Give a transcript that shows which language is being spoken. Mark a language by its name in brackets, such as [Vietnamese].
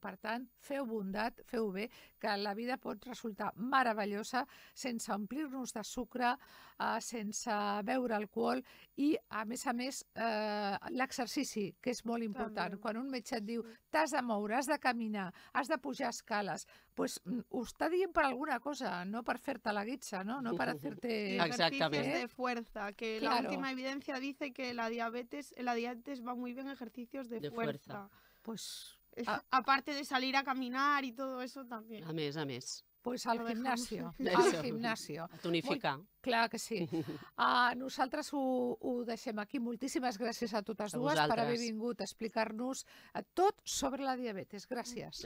[Catalan] Per tant, feu bondat, feu bé, que la vida pot resultar meravellosa sense omplir-nos de sucre, sense beure alcohol i, a més, l'exercici, que és molt important. També. Quan un metge et diu, t'has de moure, has de caminar, has de pujar escales, pues ho està dient per alguna cosa, no per fer-te la guitza, no per fer-te [Spanish] exercicis de fuerza, que claro. La última evidència dice que la diabetes va muy bien ejercicios de fuerza. Pues aparte de salir a caminar y todo eso también. [Catalan] A més. [Spanish] Pues al gimnasio, al gimnasio. Tonificar. [Catalan] Clar que sí. Nosaltres ho deixem aquí. Moltíssimes gràcies a totes dues per haver vingut a explicar-nos tot sobre la diabetes. Gràcies.